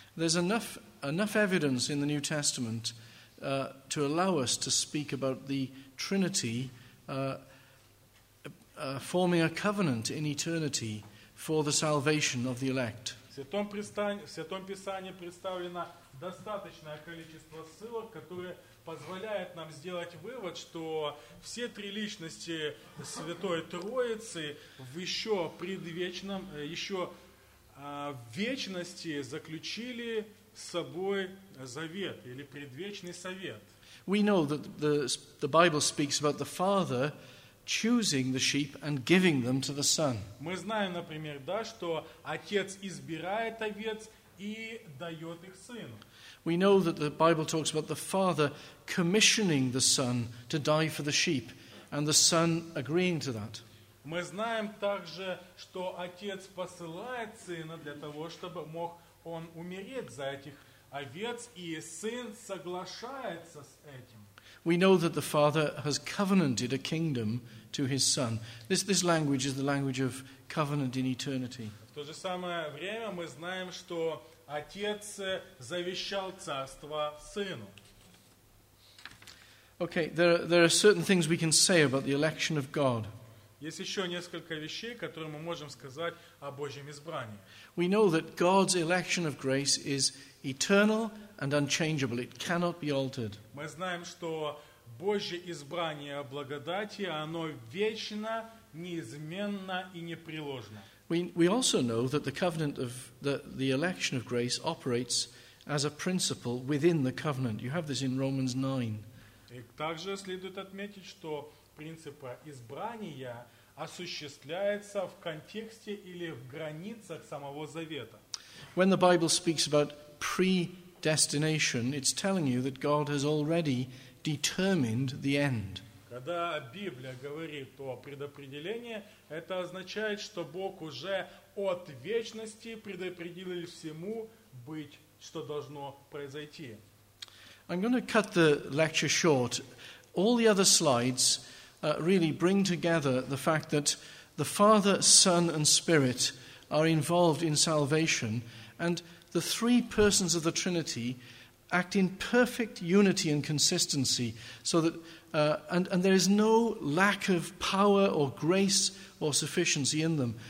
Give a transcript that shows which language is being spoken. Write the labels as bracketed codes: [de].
[en] There's enough evidence in the New Testament to allow us to speak about the Trinity forming a covenant in eternity for the salvation of the elect. [ru] В Святом Писании представлено достаточное количество ссылок, которые позволяют нам сделать вывод, что все три личности Святой Троицы в еще предвечном, еще вечности заключили с собой завет или предвечный совет. [en] We know that the Bible speaks about the Father choosing the sheep and giving them to the Son. [ru] Мы знаем, например, да, что Отец избирает овец и дает их Сыну. [en] We know that the Bible talks about the Father commissioning the Son to die for the sheep and the Son agreeing to that. [ru] Мы знаем также, что Отец посылает Сына для того, чтобы мог он умереть за этих овец, и Сын соглашается с этим. [en] We know that the Father has covenanted a kingdom to his Son. This language is the language of covenant in eternity. [ru] В то же самое время мы знаем, что Отец завещал царство Сыну. [en] Okay, there are certain things we can say about the election of God. [ru] Есть еще несколько вещей, которые мы можем сказать о Божьем избрании. [en] We know that God's election of grace is eternal and unchangeable. It cannot be altered. [ru] Мы знаем, что Божье избрание благодати, оно вечно, неизменно и непреложно. [en] We also know that the covenant of the election of grace operates as a principle within the covenant. You have this in Romans 9. [ru] И также следует отметить, что принципы избрания, осуществляется в контексте или в границах самого завета. [en] When the Bible speaks about predestination, it's telling you that God has already determined the end. [ru] Когда Библия говорит о предопределении, это означает, что Бог уже от вечности предопределил всему быть, что должно произойти. [en] I'm going to cut the lecture short. All the other slides really bring together the fact that the Father, Son, and Spirit are involved in salvation, and the three persons of the Trinity act in perfect unity and consistency, so that and there is no lack of power or grace or sufficiency in them.